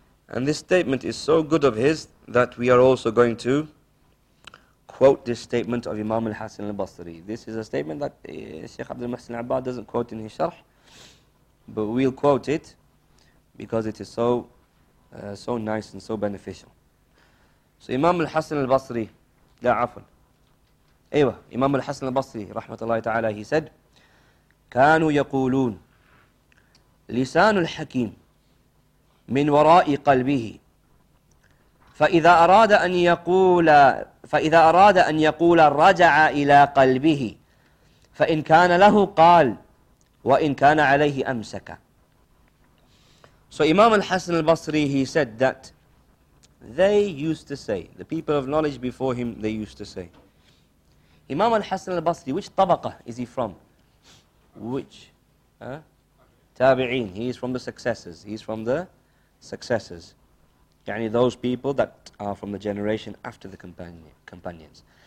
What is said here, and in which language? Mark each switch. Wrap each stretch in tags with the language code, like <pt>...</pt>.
<en>And this statement is so good of his that we are also going to quote this statement of Imam al-Hasan al-Basri. This is a statement that Shaykh Abdul Muhsin Abad doesn't quote in his sharh, but we'll quote it because it is so nice and so beneficial. So Imam al-Hasan al-Basri, da'afun. Aywa, Imam al-Hasan al-Basri, rahmatullahi ta'ala, he said,</en> <ar>كانوا يقولون لسان الحكيم من وراء قلبه فإذا أراد أن يقول فإذا أراد أن يقول رجع إلى قلبه فإن كان له قال وإن كان عليه أمسك.</ar> <en>So Imam al-Hasan al-Basri, he said that They used to say, the people of knowledge before him, they used to say. Imam al-Hasan al-Basri, which tabaqah is he from? Which? Tabi'een, he is from the successors. He is from the successors. Yani those people that are from the generation after the companions.</en>